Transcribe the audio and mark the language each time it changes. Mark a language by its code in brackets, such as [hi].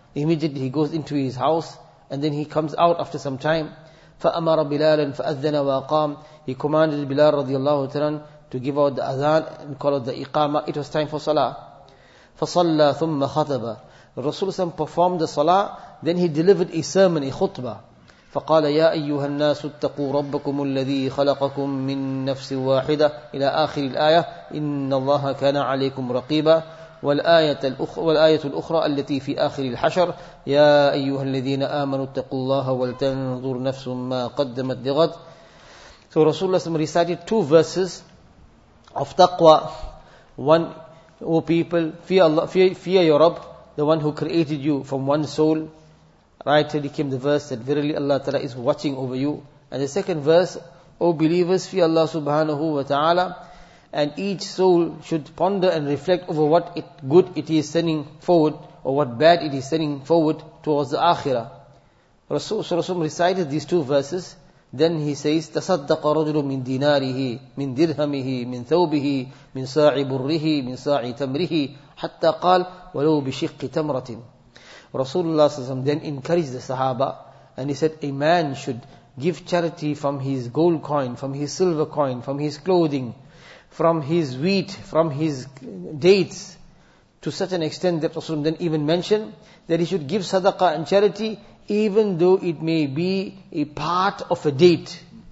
[en] Immediately he goes into his house and then he comes out after some time. [ar] فَأَمَرَ بِلَالًا فَأَذَّنَ وَأَقَامَ. [en] He commanded Bilal رضي الله عنه to give out the adhan and call out the iqama. It was time for salah. [ar] فصلى ثم خطب. [en] Rasulullah SAW performed the salah, then he delivered a sermon, a khutbah. [ar] فقال يا أيها الناس اتقوا ربكم الذي خلقكم من نفس واحدة إلى آخر الآية إن الله كان عليكم رقيبا. والآية الأخرى التي في آخر الحشر يا أيها الذين آمنوا اتقوا الله ولتنظر نفس ما قدمت لغد. [en] So Rasulullah SAW recited two verses of taqwa. One, O people, fear Allah, fear your Rabb, the one who created you from one soul. Right till he came the verse that verily Allah Ta'ala is watching over you. And the second verse, O believers, fear Allah subhanahu wa ta'ala, and each soul should ponder and reflect over what good it is sending forward or what bad it is sending forward towards the akhirah. Rasulullah recited these two verses. Then he says, [ar] تصدق رجل من دينارِهِ من درهمِهِ من ثوبِهِ من ساع برِّهِ من ساع تمرِهِ حتى قال ولو بشق تمرةٍ. [en] Rasulullah SAW then encouraged the Sahaba and he said, a man should give charity from his gold coin, from his silver coin, from his clothing, from his wheat, from his dates, to such an extent that Rasulullah then even mentioned that he should give sadaqah and charity even though it may be a part of a date.